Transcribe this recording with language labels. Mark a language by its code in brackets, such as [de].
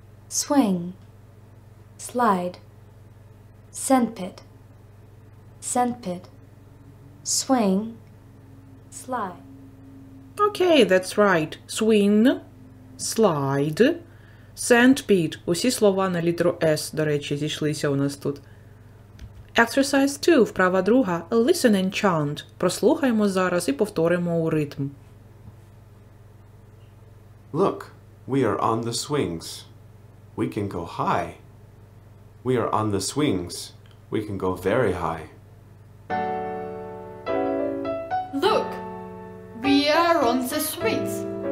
[en] Swing, slide. Sandpit, swing, slide. Okay, that's right. Swing, slide, sandpit. [uk] Усі слова на літеру S, до речі, зійшлися у нас тут. [en] Exercise 2, [uk] вправа друга, [en] listen and chant. [uk] Прослухаємо зараз і повторимо у ритм. [en] Look, we are on the swings. We can go high. We are on the swings. We can go very high. Look, we are on the swings.